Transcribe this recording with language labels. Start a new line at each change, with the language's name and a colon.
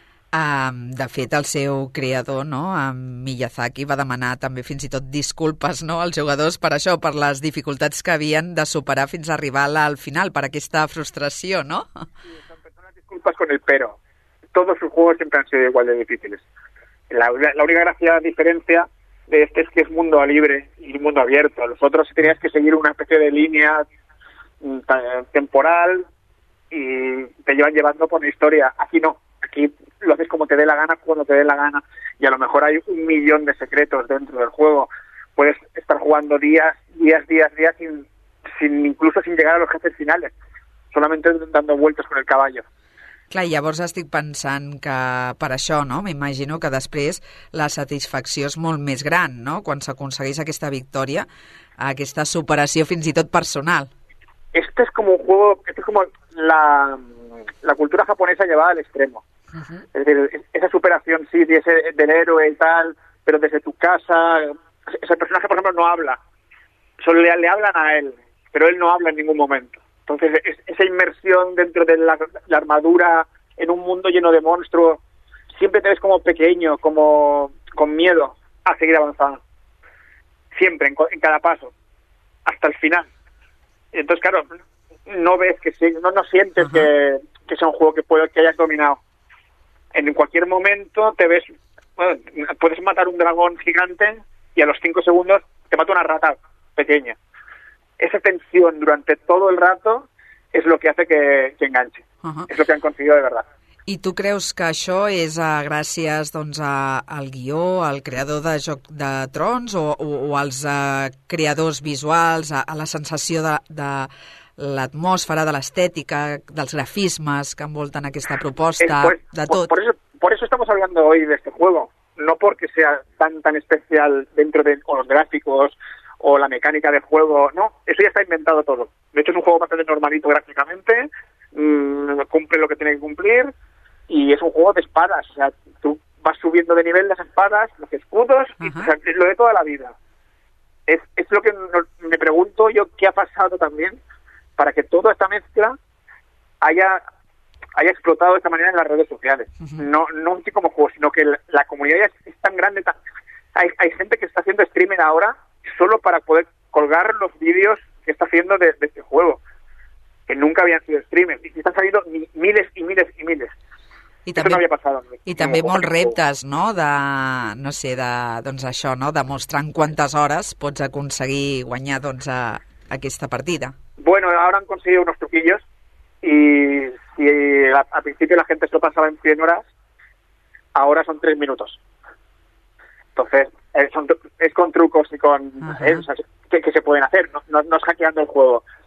Catalan: De fet, el seu creador, no, Miyazaki, va demanar també fins i tot disculpes, no, als jugadors per això, per les dificultats que havien de superar fins a arribar al final, per aquesta frustració, no?
Spanish: Sí, disculpes con el pero. Todos sus juegos siempre han sido igual de difíciles. La única gracia diferencia de este es que es mundo libre y mundo abierto. Los otros tenías que seguir una especie de línea temporal y te iban llevando por una historia. Aquí no. Aquí lo haces como te dé la gana, cuando te dé la gana. Y a lo mejor hay un millón de secretos dentro del juego. Puedes estar jugando días, días, días, días sin sin, incluso sin llegar a los jefes finales, solamente dando vueltas con el caballo.
Catalan: Clar, llavors estic pensant que per això, no? M'imagino que després la satisfacció és molt més gran, no? Quan s'aconsegueix aquesta victòria, aquesta superació fins i tot personal.
Spanish: Este es como un juego, este es como la, la cultura japonesa llevada al extremo. Uh-huh. Es decir, esa superación, sí, de ese, del héroe y tal, pero desde tu casa, ese personaje, por ejemplo, no habla. Solo le hablan a él, pero él no habla en ningún momento. Entonces, es, esa inmersión dentro de la, la armadura, en un mundo lleno de monstruos, siempre te ves como pequeño, como con miedo a seguir avanzando. Siempre, en cada paso, hasta el final. Entonces, claro, no ves que sí, no, no sientes que sea un juego que, puede, que hayas dominado. En cualquier momento te ves, bueno, puedes matar un dragón gigante y a los 5 segundos te mata una rata pequeña. Esa tensión durante todo el rato es lo que hace que enganche. Uh-huh. Es lo que han conseguido de verdad.
Catalan: I tu creus que això és gràcies doncs, a, al guió, al creador de Joc de Trons o als creadors visuals, a la sensació de l'atmòsfera, de l'estètica, dels grafismes que envolten aquesta proposta, de tot?
Spanish: Por eso estamos hablando hoy de este juego. No porque sea tan, tan especial dentro de los gráficos o la mecánica de juego, no. Eso ya está inventado todo. De hecho, es un juego bastante normalito gráficamente, cumple lo que tiene que cumplir, y es un juego de espadas. O sea, tú vas subiendo de nivel las espadas, los escudos, uh-huh. Y, o sea, es lo de toda la vida. Es lo que no, me pregunto yo qué ha pasado también para que toda esta mezcla haya explotado de esta manera en las redes sociales. Uh-huh. No como juego, sino que la comunidad ya es tan grande. Hay gente que está haciendo streaming ahora solo para poder colgar los vídeos que está haciendo de este juego, que nunca habían sido streamers. Y están saliendo miles y miles y miles.
Catalan: I també, no passat, i també molts reptes, no?, de, no sé, de, doncs això, no?, demostrant quantes hores pots aconseguir guanyar, doncs, a aquesta partida.
Spanish: Bueno, ahora han conseguido unos truquillos y al principio la gente se lo pasaba en 100 horas, ahora son 3 minutos. Entonces, es con trucos y con... O sea, que se pueden hacer, no es hackeando el juego.